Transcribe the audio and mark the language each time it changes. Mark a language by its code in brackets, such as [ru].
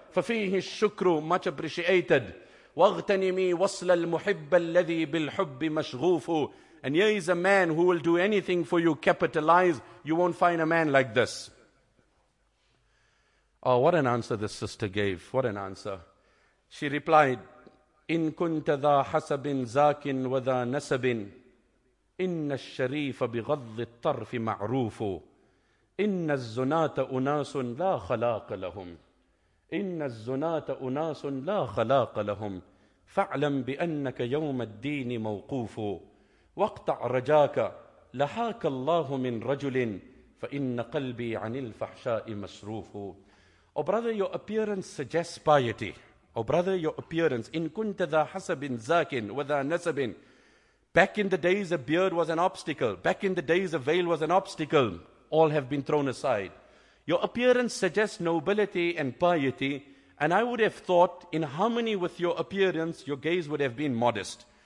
[ar] فَفِيهِ الشُّكْرُ [en] Much appreciated. [ar] وَاغْتَنِمِي وَصْلَ الْمُحِبَّ الَّذِي بِالْحُبِّ مَشْغُوفُ [en] And here is a man who will do anything for you, capitalize. You won't find a man like this. Oh, what an answer this sister gave. What an answer. She replied, [ar] إِن كُنْتَ ذَا حَسَبٍ زَاكٍ وَذَا نَسَبٍ إِنَّ الشَّرِيفَ بِغَضِّ الطَّرْفِ مَعْرُوفُ إِنَّ الزُّنَاتَ أُنَاسٌ لَا خَلَاقَ لَهُمْ إِنَّ الزُّنَاتَ أُنَاسٌ لَا خَلَاقَ لَهُمْ فَاعْلَمْ بِأَنَّكَ يَوْمَ الدِّينِ مَوْقُوفُ وَاقْطَعْ رَجَاكَ لَحَاكَ اللَّهُ مِنْ رَجُلٍ فَإِنَّ قَلْبِي عَنِ الْفَحْشَاءِ مَسْرُوفُ [en] Oh brother, your appearance suggests piety. Oh brother, your appearance. [ar] إِن كُنْتَ ذَا حَسَبٍ زَاكٍ وَذَا نَسَبٍ [en] Back in the days, a beard was an obstacle. Back in the days, a veil was an obstacle. All have been thrown aside. Your appearance suggests nobility and piety, and I would have thought, in harmony with your appearance, your gaze would have been modest.